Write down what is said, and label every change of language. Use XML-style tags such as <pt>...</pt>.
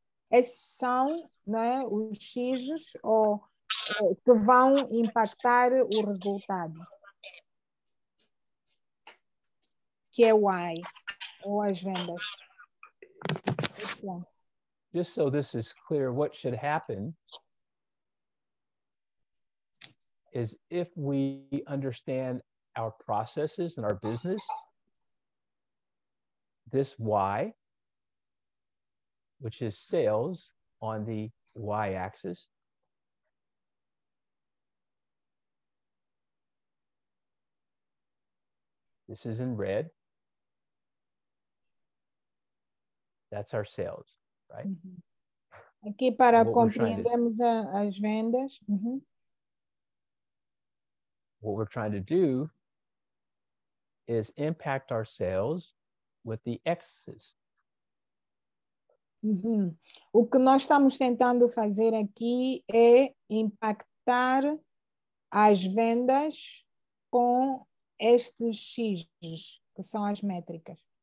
<pt>Esses são, né, os X's que vão impactar o resultado, que é o Y, ou as vendas.</pt> <en>Just so this is clear, what should happen is if we understand our processes and our business, this Y, which is sales on the Y-axis, this is in red, that's our sales, right?</en> <pt>Mm-hmm. Aqui para compreendermos as vendas. Mm-hmm.</pt> <en>What we're trying to do is impact our sales with the X's. Uhum.</en> <pt>O que nós estamos tentando fazer aqui é impactar as vendas com estes X's, que são as métricas.</pt>